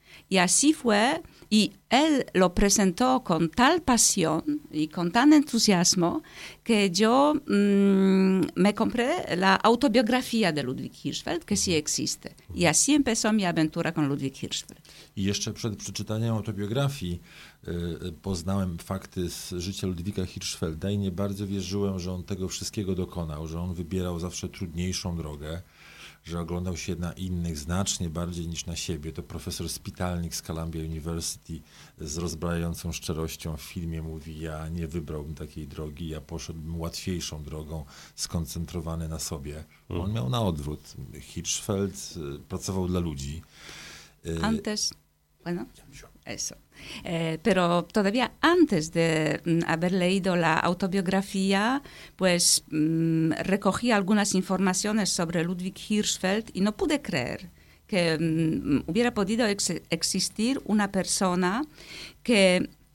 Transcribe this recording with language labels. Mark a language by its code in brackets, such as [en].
[es] Y así fue, y él lo presentó con tal pasión y con tan entusiasmo que yo me compré la autobiografía de Ludwig Hirschfeld, que sí existe. Y así empezó mi aventura con Ludwig Hirschfeld. [pl] I jeszcze przed przeczytaniem autobiografii poznałem fakty z życia Ludwika Hirschfelda i nie bardzo wierzyłem, że on tego wszystkiego dokonał, że on wybierał zawsze trudniejszą drogę, że oglądał się na innych znacznie bardziej niż na siebie. To profesor Spitalnik z Columbia University z rozbrajającą szczerością w filmie mówi, ja nie wybrałbym takiej drogi, ja poszedłbym łatwiejszą drogą, skoncentrowany na sobie. Mhm. On miał na odwrót. Hirschfeld pracował dla ludzi. [es] Antes, bueno, eso. Pero todavía antes de haber leído la autobiografía, pues recogí algunas informaciones sobre Ludwig Hirschfeld y no pude creer que hubiera podido existir una persona que